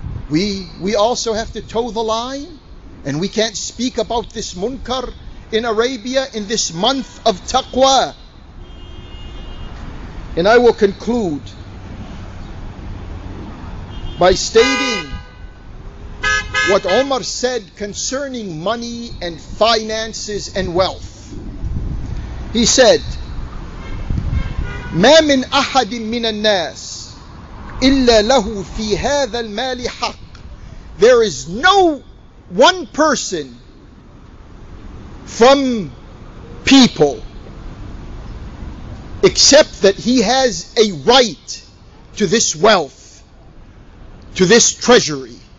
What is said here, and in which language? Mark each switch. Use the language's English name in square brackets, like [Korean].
[English] We also have to toe the line, and we can't speak about this munkar in Arabia in this month of taqwa. And I will conclude by stating what Umar said concerning money and finances and wealth. He said, [Arabic] مَا مِنْ أَحَدٍ مِّنَ النَّاسِ إِلَّا لَهُ فِي هَذَا الْمَالِ حَقٍ. [English] There is no one person from people except that he has a right to this wealth, to this treasury.